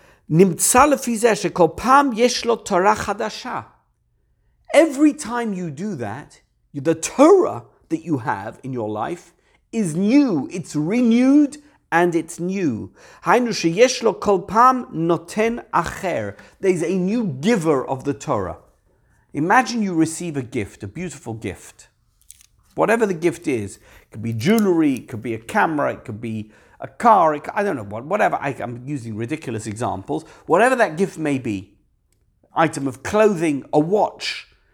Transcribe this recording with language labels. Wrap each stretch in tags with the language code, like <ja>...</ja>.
<he>נמצא לפי זה שכל פעם יש לו תורה חדשה.</he> <en>Every time you do that, the Torah that you have in your life is new. It's renewed and it's new.</en> <he>היינו שיש לו כל פעם נותן אחר.</he> <en>There's a new giver of the Torah. Imagine you receive a gift, a beautiful gift. Whatever the gift is, it could be jewelry, it could be a camera, it could be a car, I don't know, whatever, I'm using ridiculous examples, whatever that gift may be, item of clothing, a watch.</en>